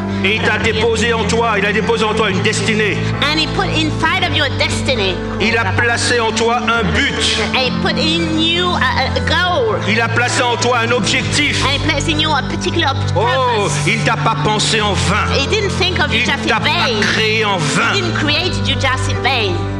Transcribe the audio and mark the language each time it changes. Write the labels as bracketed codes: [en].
[fr] Et il t'a déposé en toi, il a déposé en toi une destinée. [en] And he put inside of you a destiny. [fr] Il a placé en toi un but. [en] And he put in you a goal. [fr] Il a placé en toi un objectif. [en] And he placed in you a particular purpose. [fr] Oh, il t'a pas pensé en vain. [en] He didn't think of you just in vain. [fr] Il t'a pas créé en vain. [en] He didn't create you just in vain.